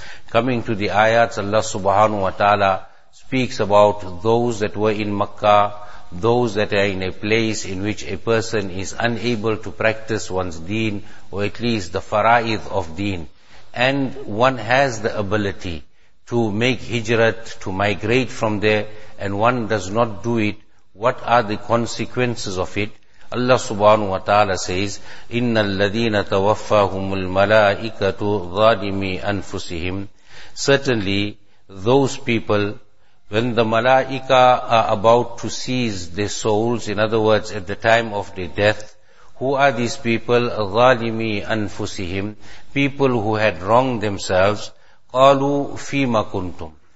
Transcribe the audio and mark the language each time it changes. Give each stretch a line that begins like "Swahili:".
English: Coming to the ayats, Allah subhanahu wa ta'ala speaks about those that were in Makkah, those that are in a place in which a person is unable to practice one's deen, or at least the fara'id of deen. And one has the ability to make hijrat, to migrate from there, and one does not do it, what are the consequences of it? Allah subhanahu wa ta'ala says,
Arabic: إِنَّ الَّذِينَ تَوَفَّاهُمُ الْمَلَائِكَةُ ظَالِمِي أَنفُسِهِمْ.
English: Certainly, those people, when the malaika are about to seize their souls, in other words, at the time of their death, who are these people?
Arabic: ظَالِمِي أَنفُسِهِمْ.
English: People who had wronged themselves.
Arabic: قَالُوا فِيمَ كُنْتُمْ.